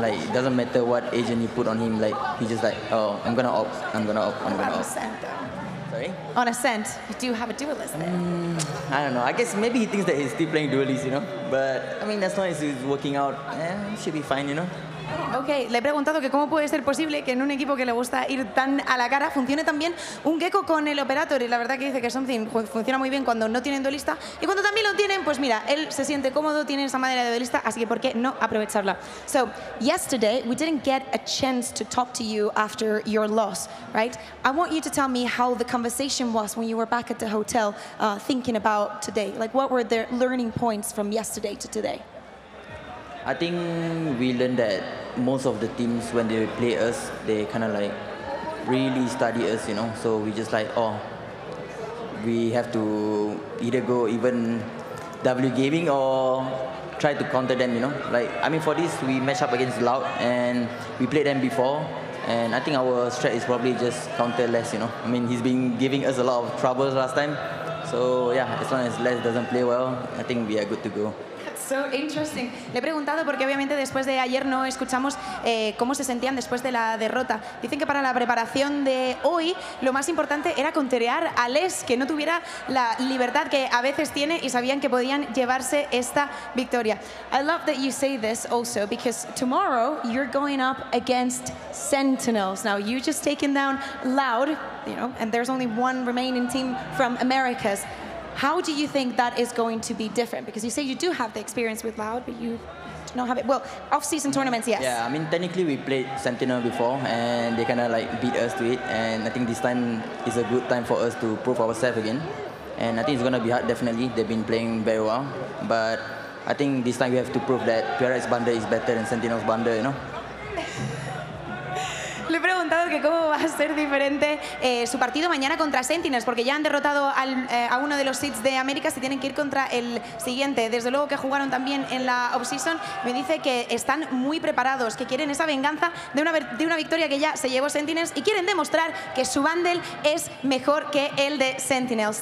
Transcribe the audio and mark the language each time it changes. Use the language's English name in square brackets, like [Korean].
[English] Like, it doesn't matter what agent you put on him. Like, he's just like, oh, I'm gonna op, I'm gonna op, I'm gonna op. On Ascent, you do have a duelist there. I don't know. I guess maybe he thinks that he's still playing duelist, you know. But I mean, as long as he's working out, should be fine, you know. [Spanish] Okay, le he preguntado que cómo puede ser posible que en un equipo que le gusta ir tan a la cara funcione también un Gekko con el Operator, y la verdad que dice que Something funciona muy bien cuando no tienen duelista, y cuando también lo tienen, pues mira, él se siente cómodo, tiene esa manera de duelista, así que ¿por qué no aprovecharla? [English] So, yesterday we didn't get a chance to talk to you after your loss, right? I want you to tell me how the conversation was when you were back at the hotel thinking about today. Like, what were the learning points from yesterday to today? I think we learned that most of the teams, when they play us, they kind of like really study us, you know. So we just like, oh, we have to either go even W Gaming or try to counter them, you know. Like, I mean, for this, we match up against Loud and we played them before. And I think our strat is probably just counter less, you know. I mean, he's been giving us a lot of troubles last time. So yeah, as long as Les doesn't play well, I think we are good to go. So interesting. [Spanish] Le he preguntado porque obviamente después de ayer no escuchamos cómo se sentían después de la derrota. Dicen que para la preparación de hoy lo más importante era conterear a Les, que no tuviera la libertad que a veces tiene, y sabían que podían llevarse esta victoria. [English] I love that you say this also, because tomorrow you're going up against Sentinels. Now you just taken down Loud, you know, and there's only one remaining team from Americas. How do you think that is going to be different? Because you say you do have the experience with Loud, but you don't have it. Well, off-season tournaments, yes. Yeah, I mean, technically we played Sentinel before, and they kind of like beat us to it. And I think this time is a good time for us to prove ourselves again. And I think it's going to be hard, definitely. They've been playing very well. But I think this time we have to prove that Pierre's Bundle is better than Sentinel's Bundle, you know? [Spanish] Le he preguntado que cómo va a ser diferente su partido mañana contra Sentinels, porque ya han derrotado a uno de los seeds de América, si tienen que ir contra el siguiente. Desde luego que jugaron también en la offseason. Me dice que están muy preparados, que quieren esa venganza de una victoria que ya se llevó Sentinels, y quieren demostrar que su bundle es mejor que el de Sentinels.